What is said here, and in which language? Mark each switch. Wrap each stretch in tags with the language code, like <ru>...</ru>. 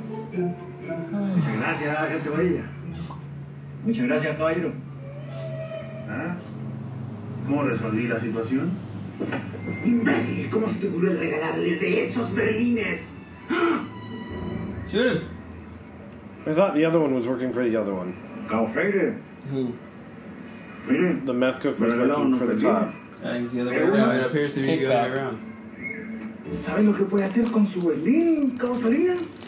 <es>Muchas gracias, gente bonita. Muchas gracias, caballero. ¿Ah? ¿Cómo resolví la situación? ¡Imbécil! ¿Cómo se te ocurrió regalarle de esos berlines?</es> <en>Sure. I thought the other one was working for the other one. Calfrater. Who? The meth cook was working for the cop. He's the other way around. It appears to be the other way around.</en> <es>¿Sabes lo que puede hacer con su berlín, Causalina?</es>